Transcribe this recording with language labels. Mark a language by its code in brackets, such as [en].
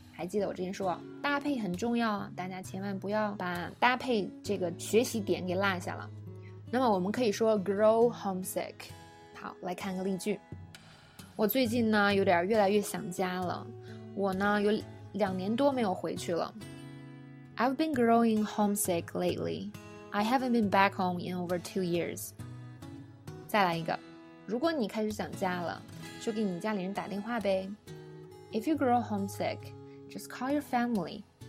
[zh] 还记得我之前说搭配很重要，大家千万不要把搭配这个学习点给落下了。那么我们可以说 grow homesick。好，来看个例句。我最近呢有点越来越想家了，我呢有2年多没有回去了。 [en] I've been growing homesick lately. I haven't been back home in over 2 years. [zh] 再来一个，如果你开始想家了，就给你家里人打电话呗。 [en] If you grow homesick, just call your family.